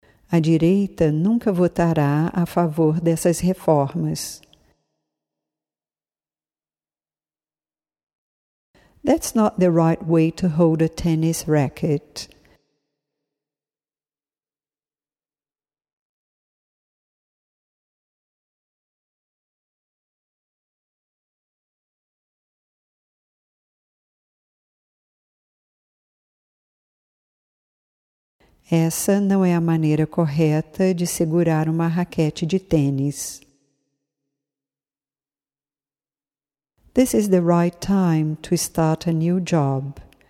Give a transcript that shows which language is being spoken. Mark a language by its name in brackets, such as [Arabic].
[Portuguese] A direita nunca votará a favor dessas reformas. [English] That's not the right way to hold a tennis racket. [Portuguese] Essa não é a maneira correta de segurar uma raquete de tênis. [English] This is the right time to start a new job.